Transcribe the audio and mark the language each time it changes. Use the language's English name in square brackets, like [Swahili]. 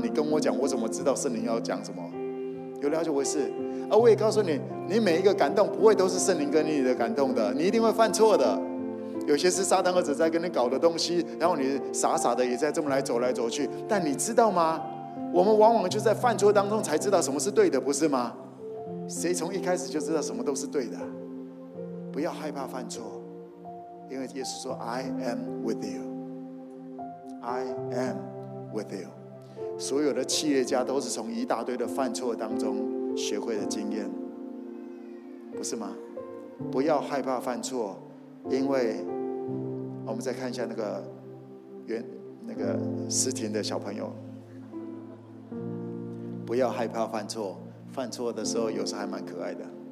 [Chinese] 你跟我讲，我怎么知道圣灵要讲什么？有了解我是，而我也告诉你，你每一个感动不会都是圣灵跟你的感动的，你一定会犯错的。有些是撒旦儿子在跟你搞的东西，然后你傻傻的也在这么来走来走去。但你知道吗？我们往往就在犯错当中才知道什么是对的，不是吗？谁从一开始就知道什么都是对的？不要害怕犯错，因为耶稣说 [English] I am with you, I am with you。 [Chinese] 所有的企业家都是从一大堆的犯错当中学会的经验，不是吗？不要害怕犯错，因为我们再看一下那个原那个思婷的小朋友，不要害怕犯错，犯错的时候有时候还蛮可爱的。